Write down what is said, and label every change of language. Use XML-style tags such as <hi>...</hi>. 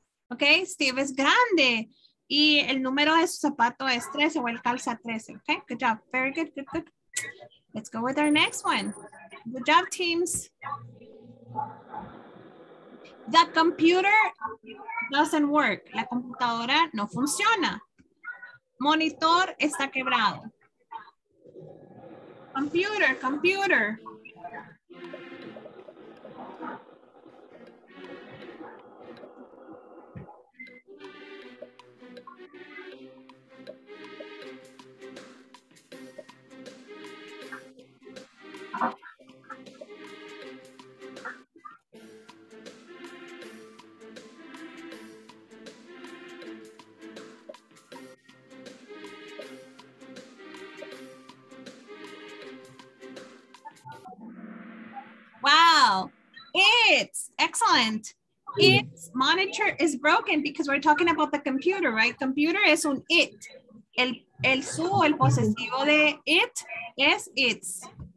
<es>Ok, Steve es grande y el número de su zapato es 13 o el calza 13.</es> <en>Ok, good job. Very good, good, good. Let's go with our next one. Good job, teams. The computer doesn't work.</en> <es>La computadora no funciona. Monitor está quebrado.</es> <en>Computer, computer. Wow, it's excellent. It's monitor is broken because we're talking about the computer, right? Computer is un it.</en> <es>El su, el posesivo de it es its.</es>